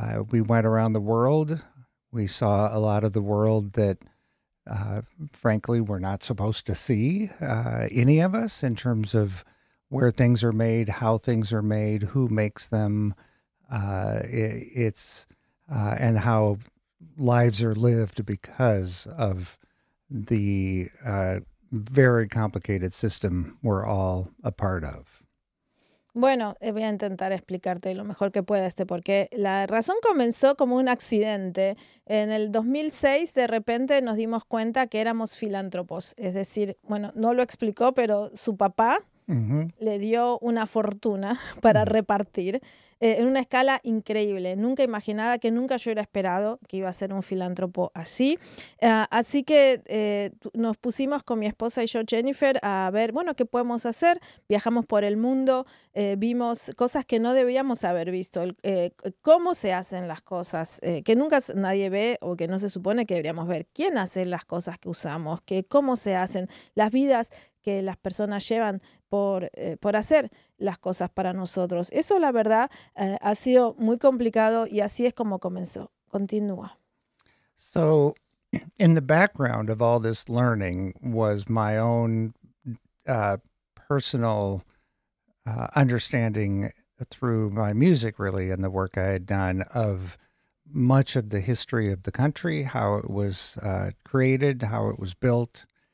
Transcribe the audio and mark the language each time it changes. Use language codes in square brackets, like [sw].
[en] We went around the world. We saw a lot of the world that, frankly, we're not supposed to see, any of us, in terms of where things are made, how things are made, who makes them, and how lives are lived because of the very complicated system we're all a part of. [es] Bueno, voy a intentar explicarte lo mejor que pueda este porqué. La razón comenzó como un accidente. En el 2006, de repente, nos dimos cuenta que éramos filántropos. Es decir, bueno, no lo explicó, pero su papá le dio una fortuna para repartir en una escala increíble. Nunca imaginaba que nunca yo hubiera esperado que iba a ser un filántropo así. Así que nos pusimos con mi esposa y yo, Jennifer, a ver, bueno, ¿qué podemos hacer? Viajamos por el mundo, vimos cosas que no debíamos haber visto. ¿Cómo se hacen las cosas que nunca nadie ve o que no se supone que deberíamos ver? ¿Quién hace las cosas que usamos? ¿Cómo se hacen las vidas que las personas llevan por hacer las cosas para nosotros? Eso, la verdad, ha sido muy complicado, y así es como comenzó. Continúa. [en] So, in the background of all this learning was my own personal understanding through my music, really, and the work I had done of much of the history of the country, how it was created, how it was built.